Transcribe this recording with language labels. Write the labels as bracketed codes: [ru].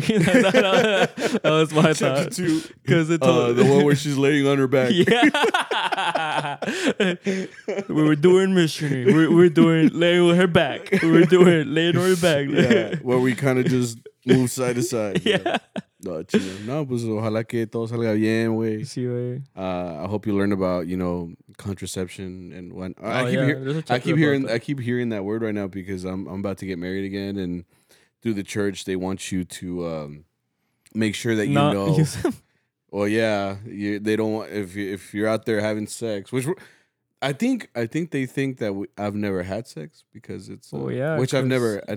[en] That was my chapter thought. Chapter 2, because the one where she's laying on her back. Yeah, we were doing missionary. We're doing laying on her back. We're doing laying on her back. Yeah, where we kind of just move side to side. Yeah. [es] No, pues ojalá que todo salga bien, güey. Sí, güey. [en] I hope you learn about, you know, contraception and when. I keep hearing that word right now because I'm about to get married again, and through the church they want you to make sure that you know. Well, yeah, they don't want, if you're out there having sex, which I think they think that I've never had sex because it's I never had.